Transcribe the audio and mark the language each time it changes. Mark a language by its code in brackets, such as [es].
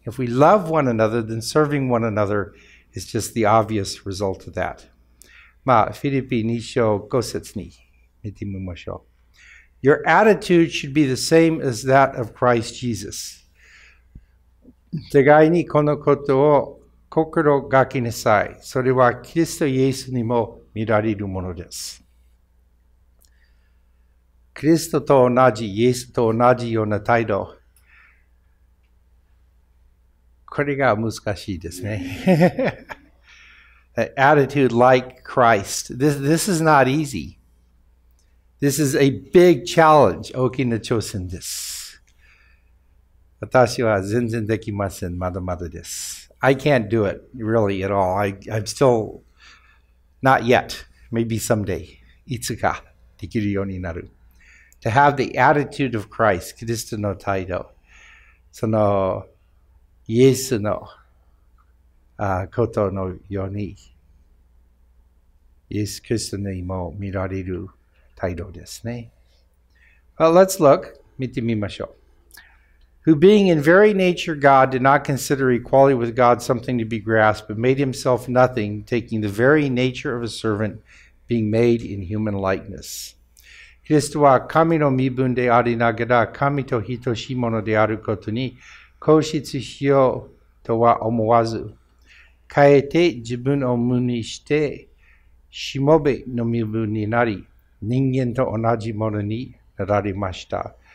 [en] If we love one another, then serving one another is just the obvious result of that. [ja] まあ、フィリピ2章5節に見てみましょう。 [en] Your attitude should be the same as that of Christ Jesus. [ja] 互いにこのことを心がけなさい。それはキリストイエスにも見られるものです。キリストと同じ、イエスと同じような態度。これが難しいですね。 [en] Attitude like Christ. This is not easy. This is a big challenge. [ja] 大きな挑戦です。私は全然できません。まだまだです。 [en] I can't do it really at all. I'm still not yet. Maybe someday. [ja] いつかできるようになる。 [en] To have the attitude of Christ, [ja] キリストの態度、そのイエスのことのように、イエス・キリストにも見られる態度ですね。 [en] Well, let's look. [ja] 見てみましょう。 [en] Who being in very nature God did not consider equality with God something to be grasped, but made himself nothing, taking the very nature of a servant, being made in human likeness. [ja] キリストは神の身分でありながら神と等しいものであることに固執しようとは思わず、かえって自分を無にして、しもべの身分になり、人間と同じものになられました。